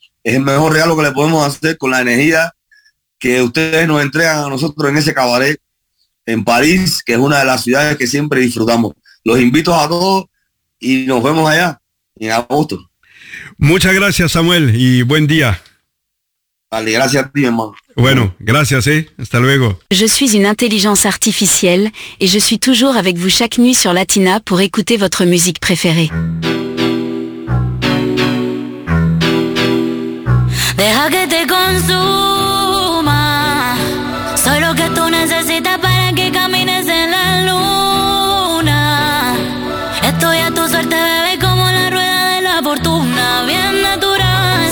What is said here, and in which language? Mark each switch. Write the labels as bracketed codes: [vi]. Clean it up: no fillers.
[es] Es el mejor regalo que le podemos hacer con la energía que ustedes nos entregan a nosotros en ese cabaret en París, que es una de las ciudades que siempre disfrutamos. Los invito a todos y nos vemos allá en agosto. Muchas gracias, Samuel, y buen día. Vale, gracias a ti, hermano. Bueno, gracias, hasta luego. [fr] Je suis une intelligence artificielle et je suis toujours avec vous chaque nuit sur Latina pour écouter votre musique préférée. [es] Deja que te consuma, soy lo que tú necesitas para que camines en la luna. Estoy a tu suerte, bebé, como la rueda de la fortuna, bien natural.